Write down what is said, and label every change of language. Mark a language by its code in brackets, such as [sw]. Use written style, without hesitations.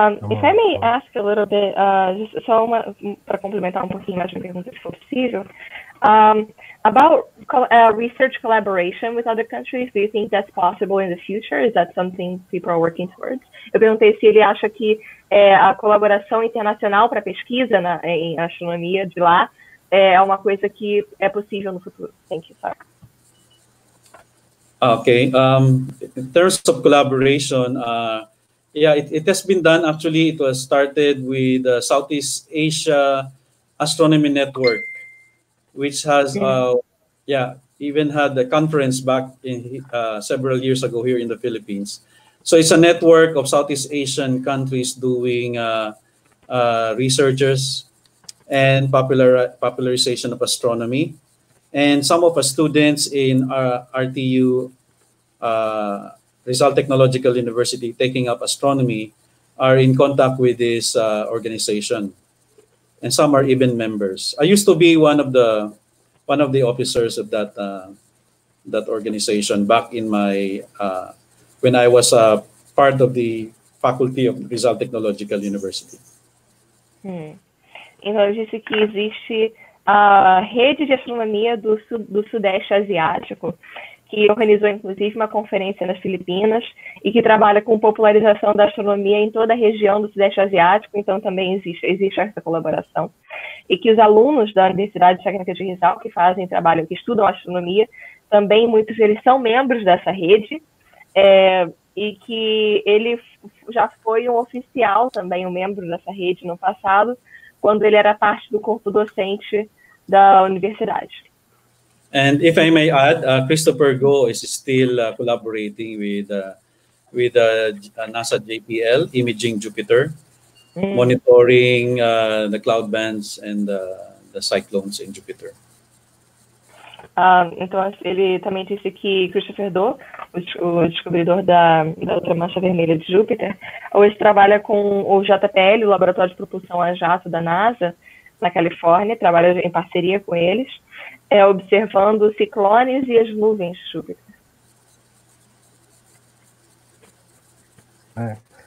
[en] If I may ask a little bit, [pt] só uma, para complementar um pouquinho mais uma pergunta, se for possível, [en] about research collaboration with other countries, do you think that's possible in the future? Is that something people are working towards? [pt] Eu perguntei se ele acha que a colaboração internacional para pesquisa em astronomia de lá é uma coisa que é possível no futuro. [en] Thank you, sir. Okay. In terms of collaboration, it has been done. Actually, it was started with the Southeast Asia Astronomy Network, which has, even had the conference back in several years ago here in the Philippines. So it's a network of Southeast Asian countries doing researchers and popularization of astronomy. And some of our students in RTU, Rizal Technological University, taking up astronomy, are in contact with this organization, and some are even members. I used to be one of the officers of that organization back in my when I was a part of the faculty of Rizal Technological University. [pt] Então eu disse que existe a rede de astronomia do Sudeste Asiático, que organizou, inclusive, uma conferência nas Filipinas e que trabalha com popularização da astronomia em toda a região do Sudeste Asiático, então também existe essa colaboração. E que os alunos da Universidade Técnica de Rizal, que fazem trabalho, que estudam astronomia, também muitos deles são membros dessa rede, e que ele já foi um oficial também, um membro dessa rede no passado, quando ele era parte do corpo docente da universidade. [en] And if I may add, Christopher Go is still collaborating with NASA JPL imaging Jupiter, monitoring the cloud bands and the cyclones in Jupiter. [pt] Então ele também disse que Christopher Do, o descobridor da outra mancha vermelha de Júpiter, hoje trabalha com o JPL, o Laboratório de Propulsão a Jato da NASA, na Califórnia, trabalha em parceria com eles. É observando os ciclones e as nuvens de Júpiter.